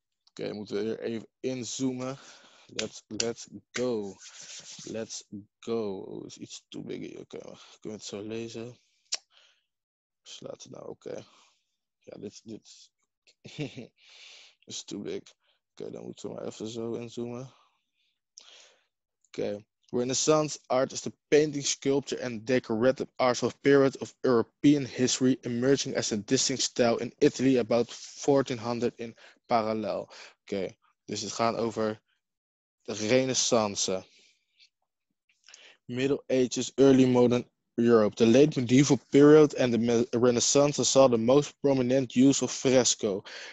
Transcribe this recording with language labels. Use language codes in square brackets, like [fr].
[nl] Oké, moeten we weer even inzoomen. [en] Let's go. Let's go. [nl] Is iets [en] too big [nl] hier. Oké, kunnen we het zo lezen? Slaat het nou, oké. Ja, dit is [en] too big. [nl] Oké, dan moeten we maar even zo inzoomen. Oké. [en] Renaissance art is the painting, sculpture and decorative arts of period of European history emerging as a distinct style in Italy about 1400 in parallel. [nl] Oké, dus het gaat over de Renaissance. [en] Middle Ages, early modern Europe. The late medieval period and the Renaissance saw the most prominent use of fresco.